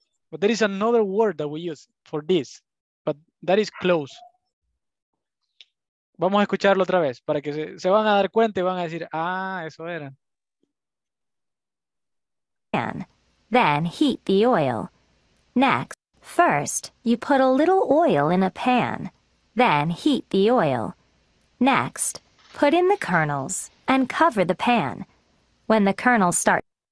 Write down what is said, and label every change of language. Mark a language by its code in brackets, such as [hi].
[en] But there is another word that we use for this, but that is close. [es] Vamos a escucharlo otra vez para que se van a dar cuenta y van a decir, ah, eso era. [en] Then heat the oil. Next, first, you put a little oil in a pan, then heat the oil. Next, put in the kernels and cover the pan. When the kernels start.